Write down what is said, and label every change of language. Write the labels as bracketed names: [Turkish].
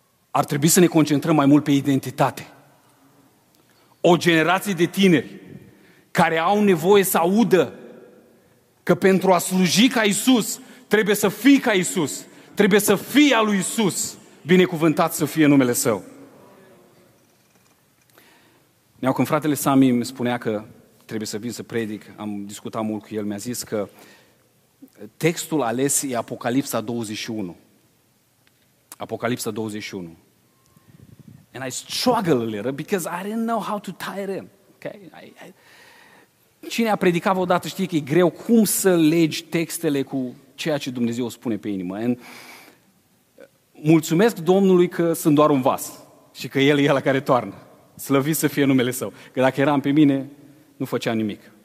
[Romanian] Ar trebui să ne concentrăm mai mult pe identitate. O generație de tineri care au nevoie să audă că pentru a sluji ca Iisus, trebuie să fii ca Iisus, trebuie să fii al lui Iisus, binecuvântat să fie numele Său. Neau, când fratele Sami îmi spunea că trebuie să vin să predic, am discutat mult cu el, mi-a zis că textul ales e Apocalipsa 21. Apocalipsa 21. [English] And I struggle a little because I didn't know how to tie it in. Okay? [Romanian] Cine a predicat odată știe că e greu cum să legi textele cu ceea ce Dumnezeu spune pe inimă. And mulțumesc Domnului că sunt doar un vas și că El e ăla care toarnă. Slăvit să fie numele Său. Că dacă eram pe mine, nu făcea nimic.